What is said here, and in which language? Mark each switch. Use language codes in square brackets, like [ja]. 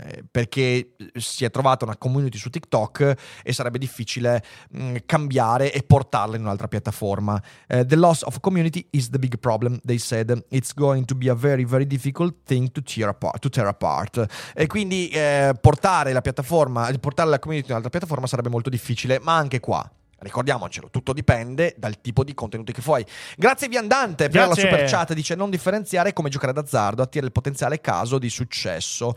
[it] Perché si è trovata una community su TikTok e sarebbe difficile cambiare e portarla in un'altra piattaforma. [en] The loss of community is the big problem, they said. It's going to be a very, very difficult thing to tear apart. [it] E quindi portare la community in un'altra piattaforma sarebbe molto difficile, ma anche qua, ricordiamocelo, tutto dipende dal tipo di contenuti che fai. Grazie Viandante per la super chat. Dice: non differenziare come giocare d'azzardo attira il potenziale caso di successo.